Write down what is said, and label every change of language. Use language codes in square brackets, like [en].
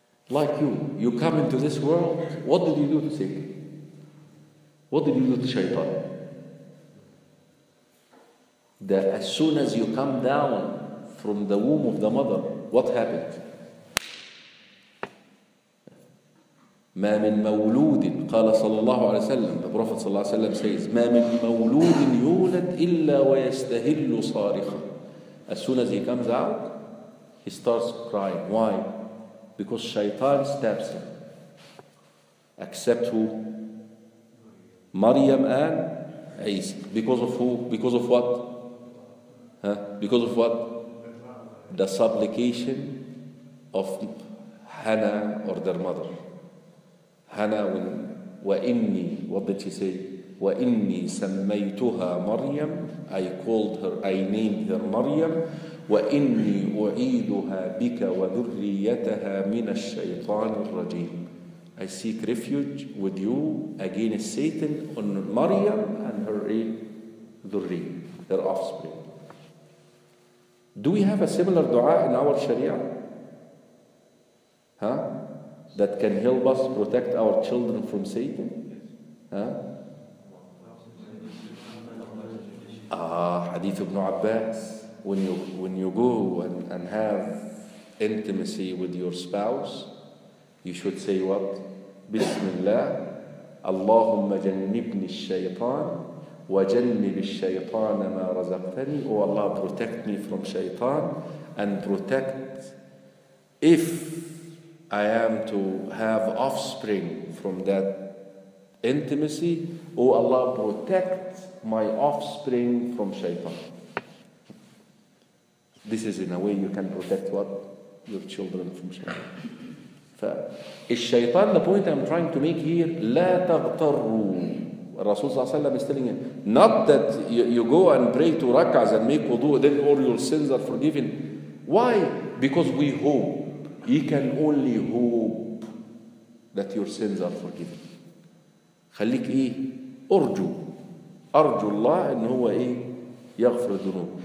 [en] Like you come into this world, what did you do to Satan? What did you do to Shaitan? That as soon as you come down from the womb of the mother, what happened? [ar] ما من مولود قال صلى الله عليه وسلم. [en] The Prophet [ar] صلى الله عليه وسلم [en] says, [ar] ما من مولود يولد إلا ويستهل صارخا. [en] As soon as he comes out, he starts crying. Why? Because Shaitan stabs him. Except who? Maryam and Isa. Because of who? Because of what? Because of what? The supplication of Hannah or their mother. Hannah, when وإني, what did she say? [ar] وإني سميتها مريم. [en] I called her, I named her مريم. [ar] وإني أعيدها بك وذريتها من الشيطان الرجيم. [en] I seek refuge with you against Satan on Maryam and her ذري, their offspring. Do we have a similar dua in our Sharia? That can help us protect our children from Satan? [ar] حديث ابن عباس, [en] when you go and have intimacy with your spouse, you should say what? [ar] بسم الله, اللهم جنبني الشيطان وجنب الشيطان ما رزقتني. [en] Oh Allah, protect me from شيطان, and protect if I am to have offspring from that intimacy. Oh Allah, protect my offspring from shaitan. This is in a way you can protect what? Your children from shaitan. الشيطان, the point I'm trying to make here, [ar] لا تغتروا. [en] Rasul صلى الله عليه وسلم is telling him, not that you go and pray two rak'ahs and make wudu, then all your sins are forgiven. Why? Because we hope. He can only hope that your sins are forgiven. [ar] خليك إيه؟ أرجو. أرجو الله أن هو إيه؟ يغفر الذنوب.